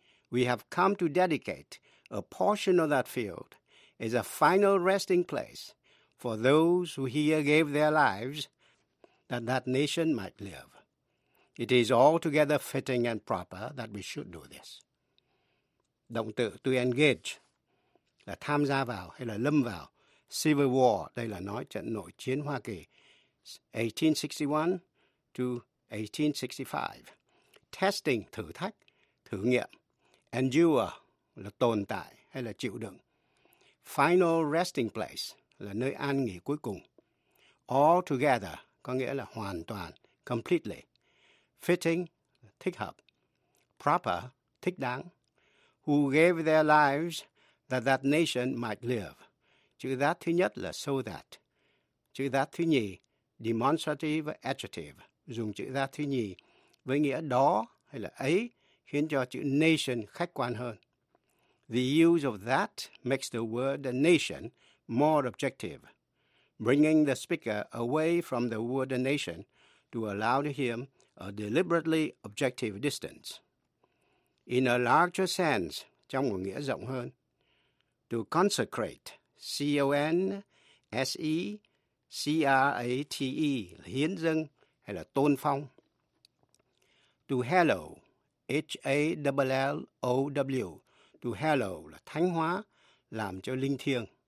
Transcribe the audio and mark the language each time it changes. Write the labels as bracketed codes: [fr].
[en] We have come to dedicate a portion of that field as a final resting place for those who here gave their lives that that nation might live. It is altogether fitting and proper that we should do this. [vi] Động từ to engage là tham gia vào hay là lâm vào. Civil War, đây là nói trận nội chiến Hoa Kỳ, 1861 to 1865. Testing, thử thách, thử nghiệm. Endure là tồn tại hay là chịu đựng. Final resting place là nơi an nghỉ cuối cùng. All together có nghĩa là hoàn toàn, completely. Fitting, thích hợp. Proper, thích đáng. [en] Who gave their lives that that nation might live. [vi] Chữ that thứ nhất là so that. Chữ that thứ nhì, demonstrative adjective. Dùng chữ that thứ nhì với nghĩa đó hay là ấy khiến cho chữ nation khách quan hơn. [en] The use of that makes the word nation more objective, bringing the speaker away from the word nation to allow him a deliberately objective distance. In a larger sense, [vi] trong một nghĩa rộng hơn, to consecrate, C-O-N-S-E-C-R-A-T-E, hiến dâng hay là tôn phong. To hallow, H-A-L-L-O-W, to hallow là thánh hóa, làm cho linh thiêng.